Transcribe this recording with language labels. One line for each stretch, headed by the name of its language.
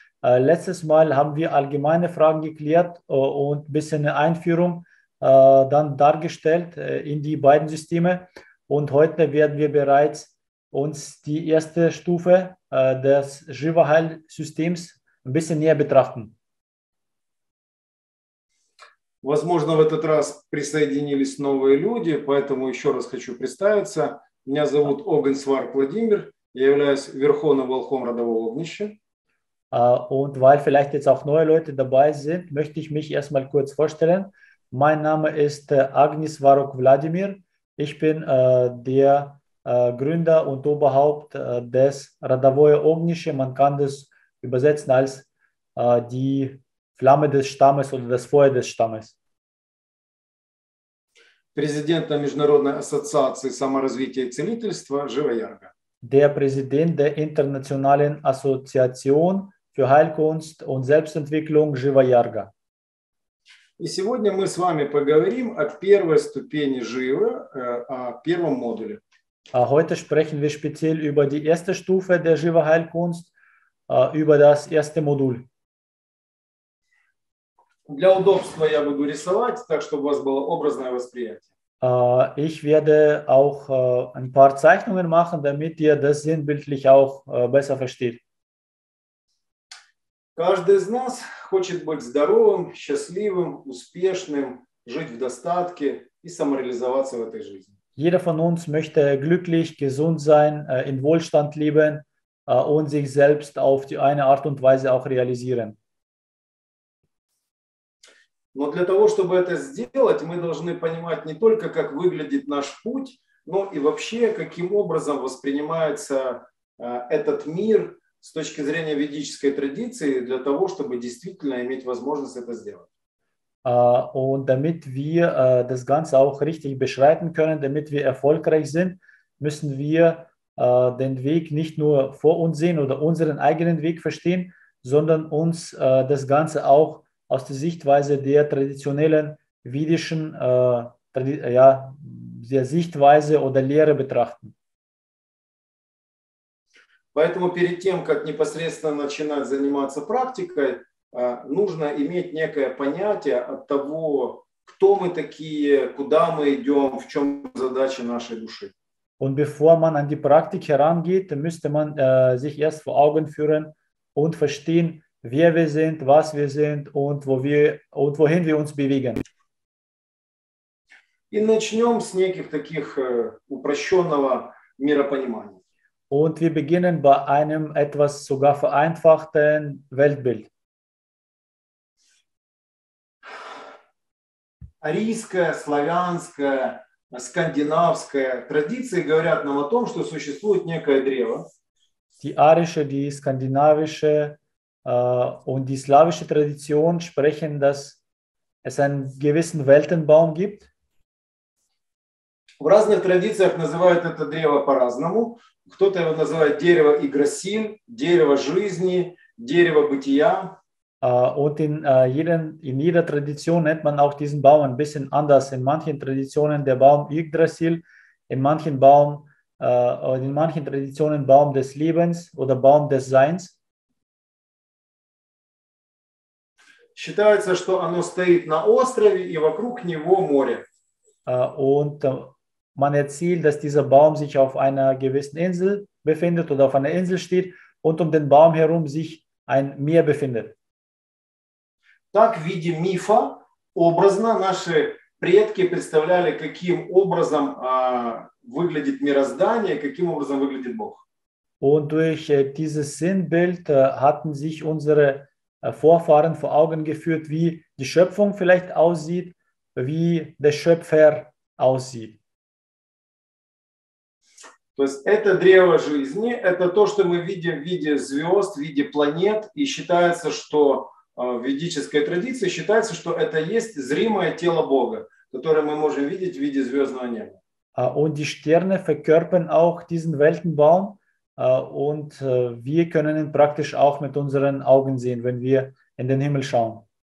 German: Letztes Mal haben wir allgemeine Fragen geklärt und ein bisschen eine Einführung dann dargestellt in die beiden Systeme. Und heute werden wir bereits uns die erste Stufe des Jivaheil-Systems ein bisschen näher betrachten.
Russian: Возможно, в этот раз присоединились новые люди, поэтому еще раз хочу представиться. Меня зовут Огонь Свар Владимир, я являюсь верховным волхом родового огнища.
German: Und weil vielleicht jetzt auch neue Leute dabei sind, möchte ich mich erstmal kurz vorstellen. Mein Name ist Agnis Varok Vladimir. Ich bin der Gründer und Oberhaupt des Radavoja Ognische. Man kann das übersetzen als die Flamme des Stammes oder das Feuer des Stammes.
Russian: Президента Международной ассоциации саморазвития и целительства Живоярга.
German: Der Präsident der Internationalen Assoziation für Heilkunst und Selbstentwicklung Jiva
Russian: И сегодня мы с вами поговорим о первой ступени живы, о первом модуле. Yarga.
German: Heute sprechen wir speziell über die erste Stufe der Jiva Heilkunst, über das erste Modul.
Russian: Для удобства я буду рисовать, так чтобы у вас было образное восприятие.
German: Ich werde auch ein paar Zeichnungen machen, damit ihr das sinnbildlich auch besser versteht.
Russian: Каждый из нас хочет быть здоровым, счастливым, успешным, жить в достатке и самореализоваться в этой жизни.
German: Jeder von uns möchte glücklich, gesund sein, in Wohlstand leben und sich selbst auf die eine Art und Weise auch realisieren.
Russian: Но для того, чтобы это сделать, мы должны понимать не только, как выглядит наш путь, но и вообще, каким образом воспринимается этот мир с точки зрения ведической традиции, для того, чтобы действительно иметь возможность это сделать.
German: Und damit wir das Ganze auch richtig beschreiten können, damit wir erfolgreich sind, müssen wir den Weg nicht nur vor uns sehen oder unseren eigenen Weg verstehen, sondern uns das Ganze auch aus der Sichtweise der traditionellen vedischen der Sichtweise oder Lehre betrachten.
Russian: Поэтому перед тем, как непосредственно начинать заниматься практикой, нужно иметь некое понятие от того, кто мы такие, куда мы идем, в чем задача нашей души.
German: Und bevor man an die Praktik herangeht, müsste man sich erst vor Augen führen und verstehen, wer wir sind, was wir sind und wohin wir uns bewegen.
Russian: И начнем с неких таких упрощенного миропонимания.
German: Und wir beginnen bei einem etwas sogar vereinfachten Weltbild.
Russian: Арийская, славянская, скандинавская традиции говорят нам о том, что существует некое древо.
German: Die arische, die skandinavische und die slawische Tradition sprechen, dass es einen gewissen Weltenbaum gibt.
Russian: В разных традициях называют это древо по-разному. Кто-то его называет дерево Игросин, дерево жизни, дерево бытия.
German: Und in jeder Tradition nennt man auch diesen Baum ein bisschen anders. In manchen Traditionen der Baum Yggdrasil, in manchen Traditionen Baum des Lebens oder Baum des Seins.
Russian: Считается, что оно стоит на острове и вокруг него море.
German: Und man erzählt, dass dieser Baum sich auf einer gewissen Insel befindet oder auf einer Insel steht und um den Baum herum sich ein Meer befindet.
Russian: Так, в виде мифа, образно наши предки представляли, каким образом выглядит мироздание, каким образом выглядит Бог.
German: Und durch dieses Sinnbild hatten sich unsere Vorfahren vor Augen geführt, wie die Schöpfung vielleicht aussieht, wie der Schöpfer aussieht.
Russian: То есть это древо жизни, это то, что мы видим в виде звезд, в виде планет, и считается, что в ведической традиции считается, что это есть зримое тело Бога, которое мы можем видеть в виде звездного неба.
German: Und die Sterne verkörpern auch diesen Weltenbaum, und wir können ihn praktisch auch mit unseren Augen sehen, wenn wir in den Himmel schauen.